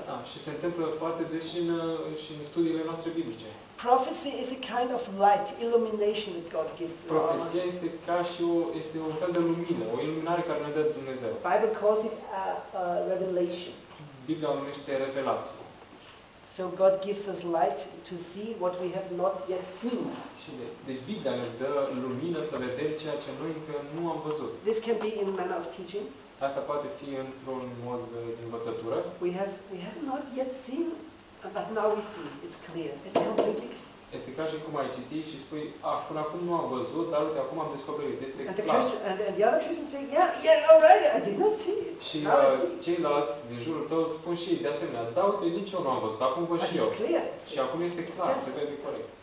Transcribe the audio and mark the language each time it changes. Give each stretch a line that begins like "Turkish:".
Romanian: Și se întâmplă foarte des și în studiile noastre biblice.
English: Prophecy is a kind of light, illumination that God gives.
Romanian: Profeția este ca și este un fel de lumină, o iluminare care ne dă Dumnezeu.
English: Bible calls it a revelation.
Romanian: Biblia o numește revelație.
English: So God gives us light to see what we have not yet seen.
Romanian: Deci Biblia ne dă lumină să vedem ceea ce noi încă nu am văzut.
English: This can be in manner of teaching.
Romanian: Asta poate fi într-un mod de învățătură.
English: We have not yet seen. But now we see. It's clear. It's completely.
Romanian: Este ca și cum ai citi și spui, până acum nu am văzut, dar uite, acum am descoperit. Este clar.
English: And the other Christians say, yeah, already, I did not see it.
Romanian: Și ceilalți din jurul tău spun și de asemenea, da, uite, nici eu nu am văzut, acum văd și eu. Și acum este clar, se vede corect.